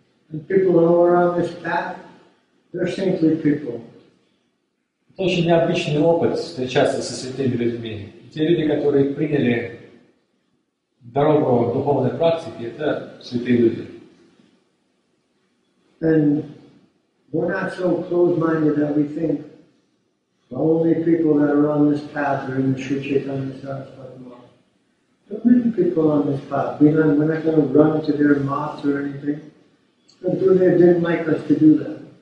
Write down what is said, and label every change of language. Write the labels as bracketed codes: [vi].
[en] And people all around this path, they're saintly people. [ru] Это очень необычный опыт встречаться со святыми людьми. Те люди, которые приняли дорогу духовной практики, это святые люди. [en] And we're not so closed-minded that we think the only people that are on this path are in the Sri Chaitanya Saraswati Mahal. There are many people on this path. We're not going to run to their moths or anything. But Gurudev didn't like us to do that.